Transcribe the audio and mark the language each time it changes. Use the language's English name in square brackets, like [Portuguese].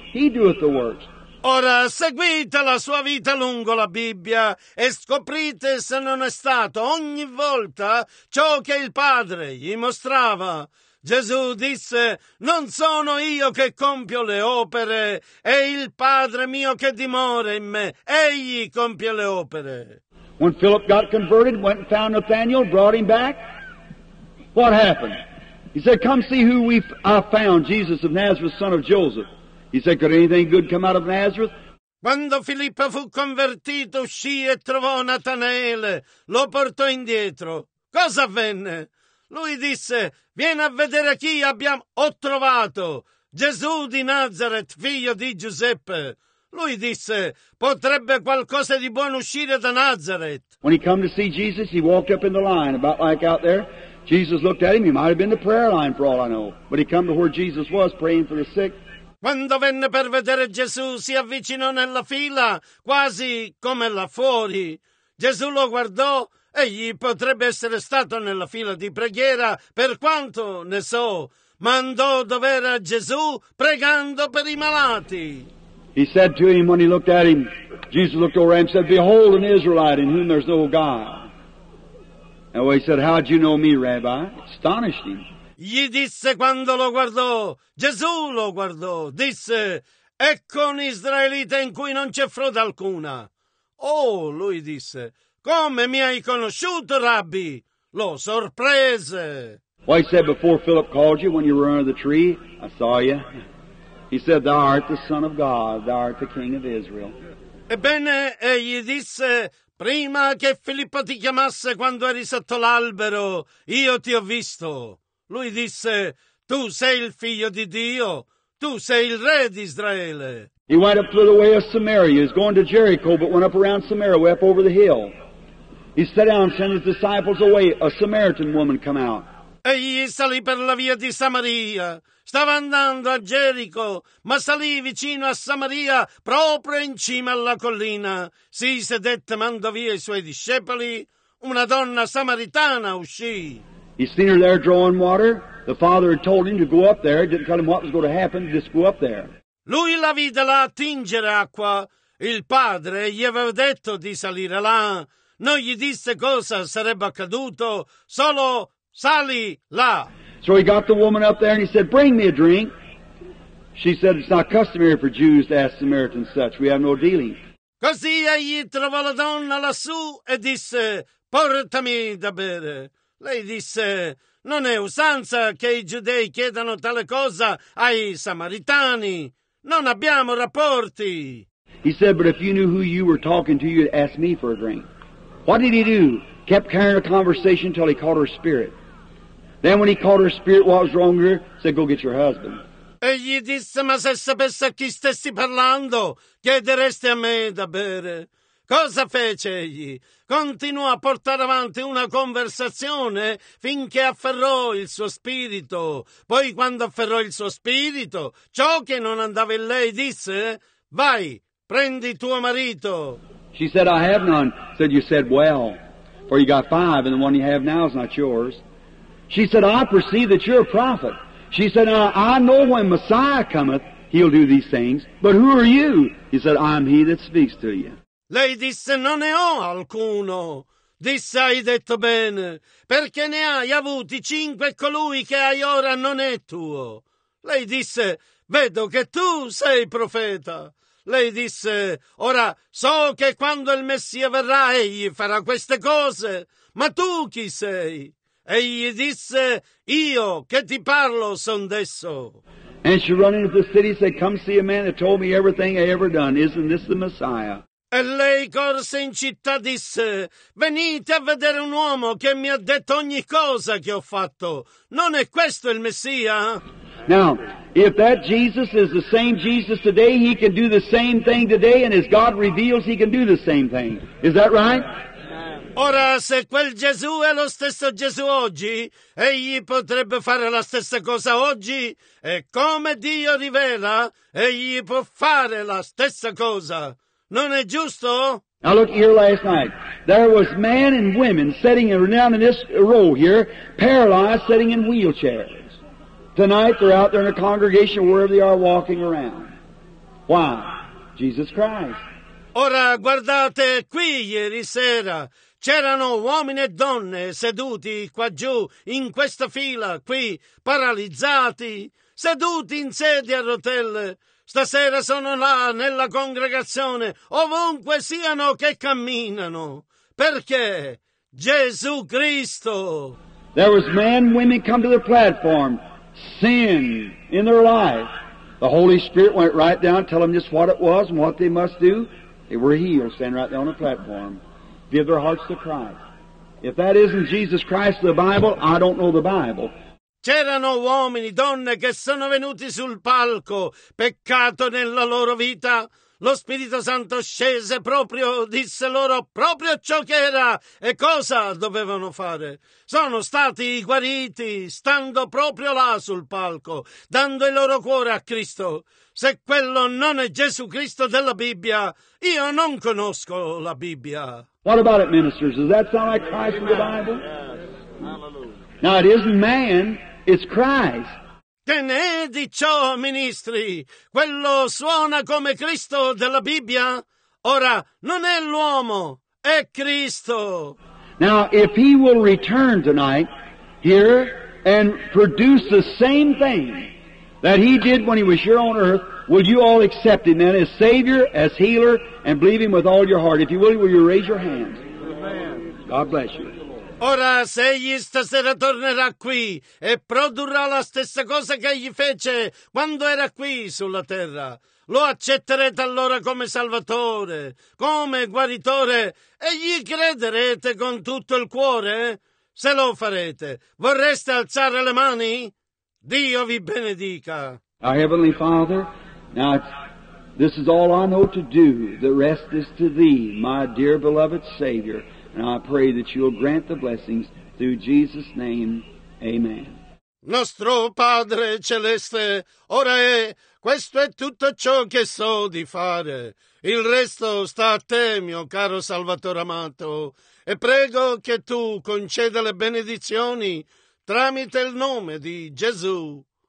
[English] He doeth the works. [Italian] Ora seguite la sua vita lungo la Bibbia e scoprite se non è stato ogni volta ciò che il Padre gli mostrava. Gesù disse, non sono io che compio le opere, è il Padre mio che dimora in me, egli compie le opere. [English] When Philip got converted, went and found Nathanael, brought him back, what happened? He said, come see who I found, Jesus of Nazareth, son of Joseph. He said, could anything good come out of Nazareth? [Italian] Quando Filippo fu convertito, uscì e trovò Natanaele, lo portò indietro. Cosa avvenne? Lui disse, vieni a vedere chi abbiamo ho trovato, Gesù di Nazareth, figlio di Giuseppe. Lui disse, potrebbe qualcosa di buono uscire da Nazareth. [English] When he came to see Jesus, he walked up in the line, about like out there. Jesus looked at him, he might have been the prayer line for all I know. But he came to where Jesus was, praying for the sick. [Italian] Quando venne per vedere Gesù, si avvicinò nella fila, quasi come là fuori. Gesù lo guardò. Egli potrebbe essere stato nella fila di preghiera, per quanto ne so, ma andò dove era Gesù pregando per i malati. [English] He said to him when he looked at him, Jesus looked over and said, Behold an Israelite in whom there's no God. And he said, How do you know me, Rabbi? Astonished him. [Italian] Gli disse quando lo guardò, Gesù lo guardò, disse, Ecco un israelita in cui non c'è frode alcuna. Oh, lui disse, Come mi hai conosciuto, Rabbi? Lo sorprese. [English] Well, he said, before Philip called you, when you were under the tree, I saw you. He said, thou art the Son of God, thou art the King of Israel. [Italian] Ebbene, egli disse, prima che Filippo ti chiamasse quando eri sotto l'albero, io ti ho visto. Lui disse, tu sei il figlio di Dio, tu sei il re di Israele. [English] He went up through the way of Samaria. He was going to Jericho, but went up around Samaria, way up over the hill. He sat down and sent his disciples away. A Samaritan woman came out. [Italian] Egli salì per la via di Samaria, stava andando a Gerico, ma salì vicino a Samaria, proprio in cima alla collina. Si sedette, mandò via i suoi discepoli, una donna samaritana uscì. [English] He seen her there drawing water. The father had told him to go up there. He didn't tell him what was going to happen, just go up there. [Italian] Lui la vide là attingere acqua. Il padre gli aveva detto di salire là. Non gli disse cosa sarebbe accaduto, solo sali là. [English] So he got the woman up there and he said, bring me a drink. She said, it's not customary for Jews to ask Samaritans such. We have no dealing. [Italian] Così egli trovò la donna lassù e disse, portami da bere. Lei disse, non è usanza che i giudei chiedano tale cosa ai samaritani. Non abbiamo rapporti. [English] He said, but if you knew who you were talking to, you'd ask me for a drink. What did he do? Kept carrying a conversation until he caught her spirit. Then when he caught her spirit, what was wrong with her? Said, go get your husband. [Italian] Egli disse, ma se sapesse a chi stessi parlando, chiedereste a me da bere. Cosa fece egli? Continuò a portare avanti una conversazione finché afferrò il suo spirito. Poi quando afferrò il suo spirito, ciò che non andava in lei disse, vai, prendi tuo marito. [English] She said, I have none. Said, you said, well, for you got five and the one you have now is not yours. She said, I perceive that you're a prophet. She said, I know when Messiah cometh, he'll do these things. But who are you? He said, I'm he that speaks to you. [Italian] Lei disse, non ne ho alcuno. Disse, hai detto bene, perché ne hai avuti cinque e colui che hai ora non è tuo. Lei disse, vedo che tu sei profeta. Lei disse, ora so che quando il Messia verrà, egli farà queste cose, ma tu chi sei? Egli disse, io che ti parlo son d'esso. [English] And she ran into the city and said, come see a man that told me everything I ever done. Isn't this the Messiah? [Italian] E lei corse in città e disse, venite a vedere un uomo che mi ha detto ogni cosa che ho fatto. Non è questo il Messia? [English] Now, if that Jesus is the same Jesus today, he can do the same thing today, and as God reveals, he can do the same thing. Is that right? [Italian] Ora, se quel Gesù è lo stesso Gesù oggi, egli potrebbe fare la stessa cosa oggi, e come Dio rivela, egli può fare la stessa cosa. Non è giusto? [English] Now look here last night. There was men and women sitting down in this row here, paralyzed, sitting in wheelchairs. Tonight they're out there in a congregation wherever they are walking around. Why? Jesus Christ. [Italian] Ora guardate qui ieri sera. C'erano uomini e donne seduti qua giù in questa fila qui, paralizzati, seduti in sedie a rotelle. Stasera sono là nella congregazione, ovunque siano che camminano. Perché? Gesù Cristo. [English] There was men and women come to the platform. Sin in their life. The Holy Spirit went right down, tell them just what it was and what they must do. They were healed, standing right there on the platform. Give their hearts to Christ. If that isn't Jesus Christ, the Bible, I don't know the Bible. [Italian] C'erano uomini, donne che sono venuti sul palco, peccato nella loro vita. Lo Spirito Santo scese proprio, disse loro proprio ciò che era e cosa dovevano fare. Sono stati guariti stando proprio là sul palco, dando il loro cuore a Cristo. Se quello non è Gesù Cristo della Bibbia, io non conosco la Bibbia. [English] What about it, ministers? Does that sound like Christ in the Bible? Yes. Hallelujah. Now it isn't man, it's Christ. [Italian] Che ne è di ciò, ministri? Quello suona come Cristo della Bibbia? Ora, non è l'uomo, è Cristo. [English] Now, if he will return tonight here and produce the same thing that he did when he was here on earth, will you all accept him then as Savior, as healer, and believe him with all your heart? If you will you raise your hands? God bless you. [Italian] Ora, se egli stasera tornerà qui e produrrà la stessa cosa che egli fece quando era qui sulla terra, lo accetterete allora come salvatore, come guaritore e gli crederete con tutto il cuore? Se lo farete, vorreste alzare le mani? Dio vi benedica. [English] Our Heavenly Father, now this is all I know to do. The rest is to Thee, my dear beloved Savior. And I pray that you'll grant the blessings through Jesus' name. Amen. [Italian] Nostro Padre Celeste, ora è, questo è tutto ciò che so di fare. Il resto sta a te, mio caro Salvatore amato, e prego che tu conceda le benedizioni tramite il nome di Gesù.